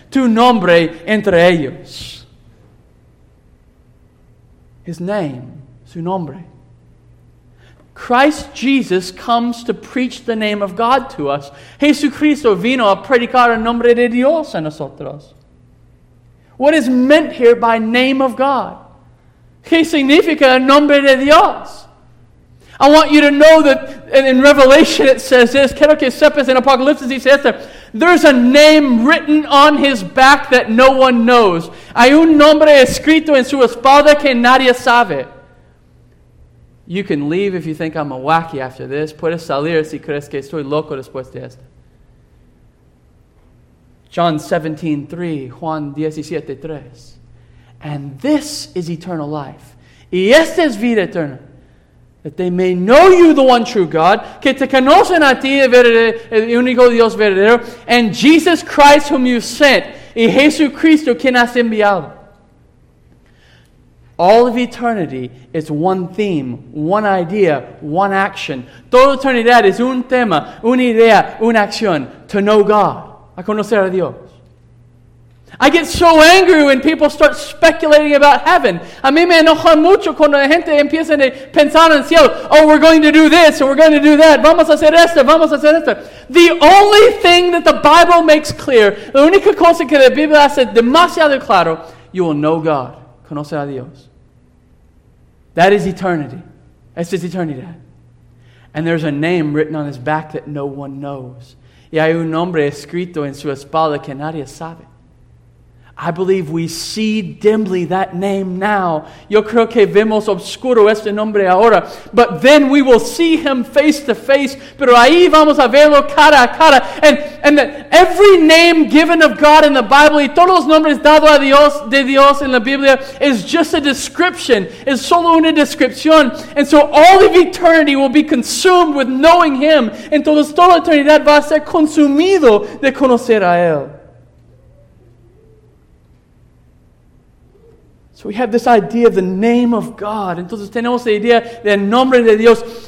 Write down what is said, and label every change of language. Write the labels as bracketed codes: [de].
[es] Tu nombre entre ellos. [en] His name, [es] su nombre. [en] Christ Jesus comes to preach the name of God to us. [es] Jesucristo vino a predicar el nombre de Dios a nosotros. [en] What is meant here by name of God? [es] ¿Qué significa el nombre de Dios? [en] I want you to know that in Revelation it says this. [es] Quiero que sepas en Apocalipsis dice esto. [en] There's a name written on his back that no one knows. [es] Hay un nombre escrito en su espalda que nadie sabe. [en] You can leave if you think I'm a wacky after this. [es] Puedes salir si crees que estoy loco después de esto. [en] John 17:3, Juan 17:3. And this is eternal life. [es] Y esta es vida eterna. [en] That they may know you, the one true God. [es] Que te conocen a ti, el único Dios verdadero. [en] And Jesus Christ whom you sent. [es] Y Jesucristo quien has enviado. [en] All of eternity is one theme, one idea, one action. [es] Toda eternidad es un tema, una idea, una acción. [en] To know God. [es] A conocer a Dios. [en] I get so angry when people start speculating about heaven. [es] A mí me enoja mucho cuando la gente empieza a pensar en el cielo. [en] Oh, we're going to do this and we're going to do that. [es] Vamos a hacer esto, vamos a hacer esto. [en] The only thing that the Bible makes clear, [es] la única cosa que la Biblia hace demasiado claro, [en] you will know God. [es] Conoce a Dios. [en] That is eternity. [es] Esa es eternidad. [en] And there's a name written on his back that no one knows. [es] Y hay un nombre escrito en su espalda que nadie sabe. [en] I believe we see dimly that name now. [es] Yo creo que vemos oscuro este nombre ahora. [en] But then we will see him face to face. [es] Pero ahí vamos a verlo cara a cara. [en] And that every name given of God in the Bible, [es] y todos los nombres dados a Dios, de Dios en la Biblia, [en] is just a description. [es] Es solo una descripción. [en] And so all of eternity will be consumed with knowing him. [es] Entonces toda eternidad va a ser consumido de conocer a él. [en] So we have this idea of the name of God. [es] Entonces tenemos la idea del nombre de Dios.